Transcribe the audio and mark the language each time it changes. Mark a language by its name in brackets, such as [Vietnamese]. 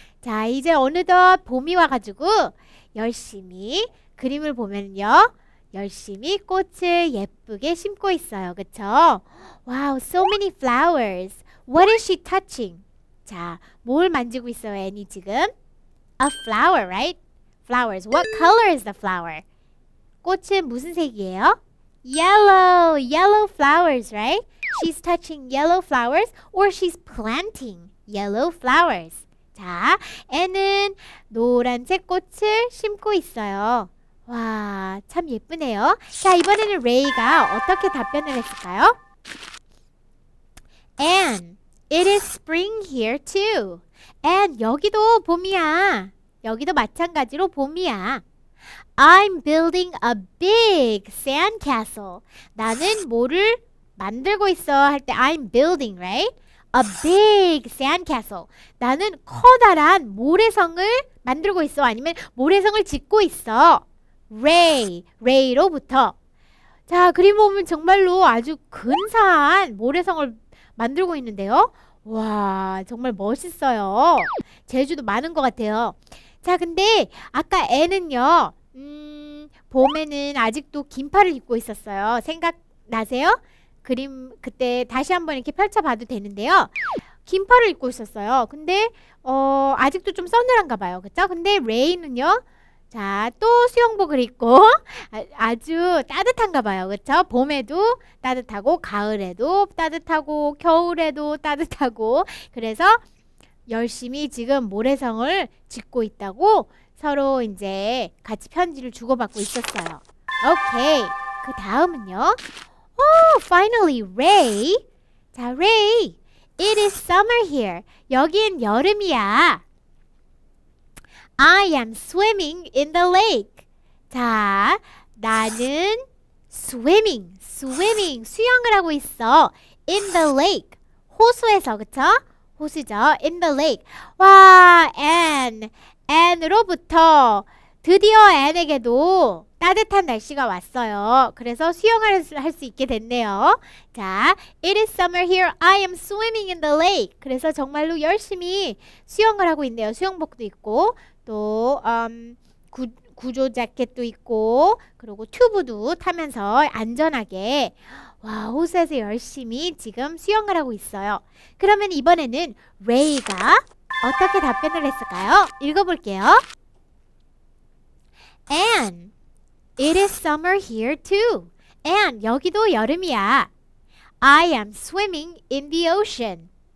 [Korean] 자, 이제 어느덧 봄이 와가지고 열심히 그림을 보면요. 열심히 꽃을 예쁘게 심고 있어요. 그쵸? [English] Wow, so many flowers. What is she touching? [Korean] 자, 뭘 만지고 있어요, and이 지금? [English] A flower, right? Flowers. What color is the flower? [Korean] 꽃은 무슨 색이에요? [English] Yellow. Yellow flowers, right? She's touching yellow flowers or she's planting yellow flowers. [Korean] 자, 애는 노란색 꽃을 심고 있어요. 와, 참 예쁘네요. 자, 이번에는 레이가 어떻게 답변을 했을까요? [English] And it is spring here too. [Korean] And 여기도 봄이야. 여기도 마찬가지로 봄이야. [English] I'm building a big sandcastle. [Korean] 나는 뭐를 만들고 있어 할 때 [English] I'm building, right? A big sandcastle. [Korean] 나는 커다란 모래성을 만들고 있어. 아니면 모래성을 짓고 있어. Ray, Ray로부터. 자, 그림 보면 정말로 아주 근사한 모래성을 만들고 있는데요. 와, 정말 멋있어요. 제주도 많은 것 같아요. 자, 근데 아까 애는요. 봄에는 아직도 긴팔을 입고 있었어요. 생각나세요? 그림 그때 다시 한번 이렇게 펼쳐봐도 되는데요. 긴팔을 입고 있었어요. 근데 아직도 좀 서늘한가 봐요. 그쵸? 근데 레이는요. 자, 또 수영복을 입고 아주 따뜻한가 봐요. 그쵸? 봄에도 따뜻하고 가을에도 따뜻하고 겨울에도 따뜻하고 그래서 열심히 지금 모래성을 짓고 있다고 서로 이제 같이 편지를 주고받고 있었어요. 오케이. 그 다음은요. [English] Oh, finally, [Korean] Ray. 자, Ray. [English] It is summer here. [Korean] 여긴 여름이야. [English] I am swimming in the lake. [Korean] 자, 나는 swimming, 수영을 하고 있어. [English] In the lake. [Korean] 호수에서, 그쵸? 호수죠. [English] In the lake. [Korean] 와, N으로부터 드디어 N에게도 따뜻한 날씨가 왔어요. 그래서 수영을 할 수 있게 됐네요. [English] 자, It is summer here. I am swimming in the lake. [Korean] 그래서 정말로 열심히 수영을 하고 있네요. 수영복도 있고, 또 구조 자켓도 있고, 그리고 튜브도 타면서 안전하게 와 호수에서 열심히 지금 수영을 하고 있어요. 그러면 이번에는 레이가 어떻게 답변을 했을까요? 읽어볼게요. [English] And it is summer here too. [Korean] And 여기도 여름이야. [English] I am swimming in the ocean.